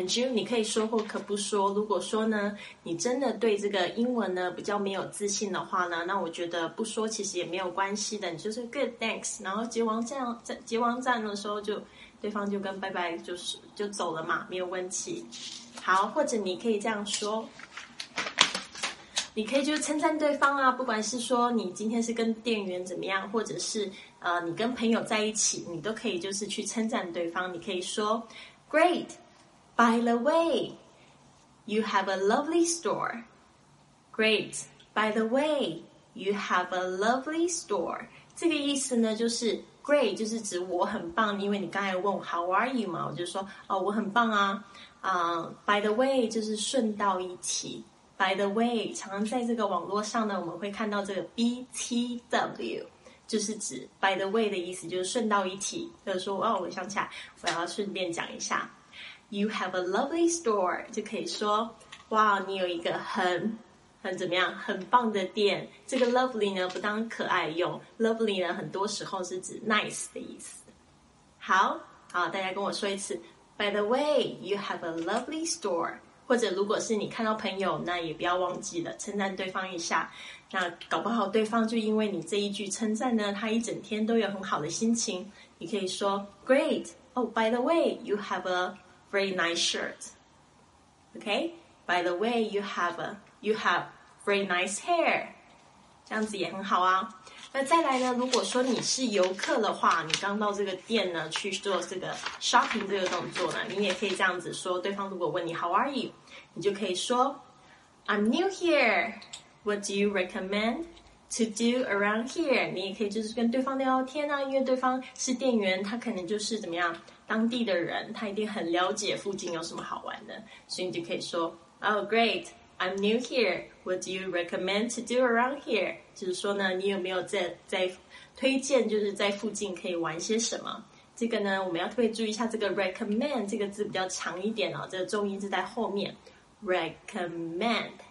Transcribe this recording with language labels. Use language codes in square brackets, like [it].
[zh] 你可以说或可不说。如果说呢，你真的对这个英文呢比较没有自信的话呢，那我觉得不说其实也没有关系的，你就是 [en] good thanks， [zh] 然后结完账的时候就对方就跟拜拜，就走了嘛，没有问题。好，或者你可以这样说，你可以就称赞对方啊，不管是说你今天是跟店员怎么样，或者是你跟朋友在一起，你都可以就是去称赞对方。你可以说 [en] great，By the way, you have a lovely store. Great. By the way, you have a lovely store. [zh] 这个意思呢，就是 great 就是指我很棒，因为你刚才问我 [en] how are you [zh] 嘛，我就说哦，我很棒啊。 [en] By the way [zh] 就是顺道一提。By the way， 常常在这个网络上呢，我们会看到这个 BTW。就是指 [en] by the way [zh] 的意思，就是顺道一提。就是说哦，我想起来，我要顺便讲一下。 [en] You have a lovely store， [zh] 就可以说，哇，你有一个很怎么样，很棒的店。这个 lovely 呢，不当可爱用 ，lovely 呢，很多时候是指 nice 的意思。好，大家跟我说一次。 [en] By the way, you have a lovely store。 [zh] 或者如果是你看到朋友，那也不要忘记了称赞对方一下。那搞不好对方就因为你这一句称赞呢，他一整天都有很好的心情。你可以说 ， [en] Great。 Oh, by the way, you have a very nice shirt. Okay? By the way, you have very nice hair. [zh] 这样子也很好啊。那再来呢，如果说你是游客的话，你刚到这个店呢去做这个 shopping 这个动作呢，你也可以这样子说，对方如果问你 [en] how are you? 你就可以说 I'm new here. What do you recommend to do around here? [zh] 你也可以就是跟对方聊天啊，因为对方是店员，他可能就是怎么样，当地的人，他一定很了解附近有什么好玩的，所以你就可以说 [en] Oh great, I'm new here. What do you recommend to do around here? [zh] 就是说呢，你有没有在推荐就是在附近可以玩些什么。这个呢，我们要特别注意一下，这个 recommend 这个字比较长一点哦，这个重音是在后面， recommend。